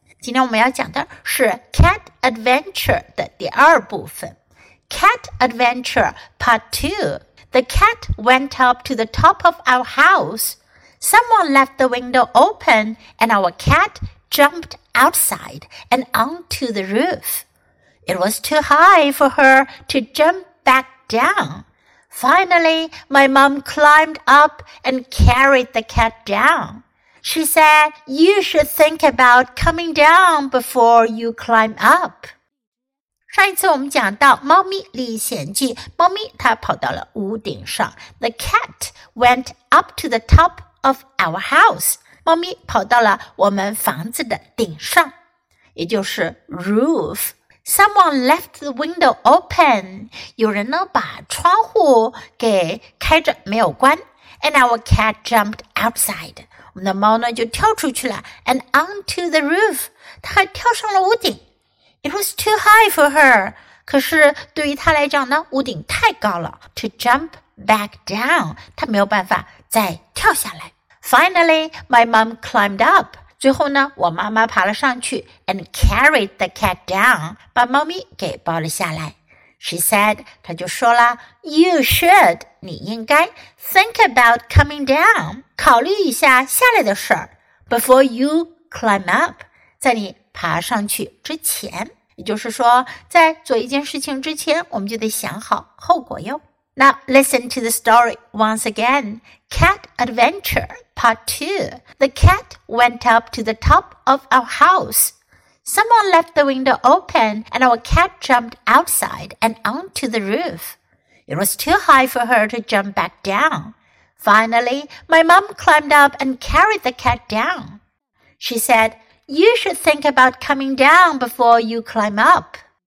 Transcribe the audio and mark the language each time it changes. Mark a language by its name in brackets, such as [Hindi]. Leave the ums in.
[Chinese] 今天我们要讲的是 Cat Adventure 的第二部分，Cat Adventure Part 2. [English] The cat went up to the top of our house. Someone left the window open and our cat jumped outside and onto the roof. It was too high for her to jump back down. Finally, my mom climbed up and carried the cat down. She said, You should think about coming down before you climb up. [Chinese] 上一次我们讲到《猫咪历险记》，猫咪它跑到了屋顶上。 [English] The cat went up to the top of our house。 [Chinese] 猫咪跑到了我们房子的顶上，也就是 roof。 [English] Someone left the window open。 [Chinese] 有人呢把窗户给开着，没有关。 [English] And our cat jumped outside。 [Chinese] 我们的猫呢就跳出去了， [English] and onto the roof。 [Chinese] 它还跳上了屋顶。 [English] It was too high for her. [Chinese] 可是对于她来讲呢，屋顶太高了。 [English] To jump back down， [Chinese] 她没有办法再跳下来。 [English] Finally, my mom climbed up. [Chinese] 最后呢，我妈妈爬了上去， [English] and carried the cat down， [Chinese] 把猫咪给抱了下来。 She said，她就说啦， [English] You should， [Chinese] 你应该 [English] think about coming down， [Chinese] 考虑一下下来的事儿， [English] before you climb up， [Chinese] 在你爬上去之前，也就是说，在做一件事情之前，我们就得想好后果哟。 [English] Now listen to the story once again. Cat Adventure Part 2. The cat went up to the top of our house. Someone left the window open and our cat jumped outside and onto the roof. It was too high for her to jump back down. Finally, my mom climbed up and carried the cat down. She said, You should think about coming down before you climb up.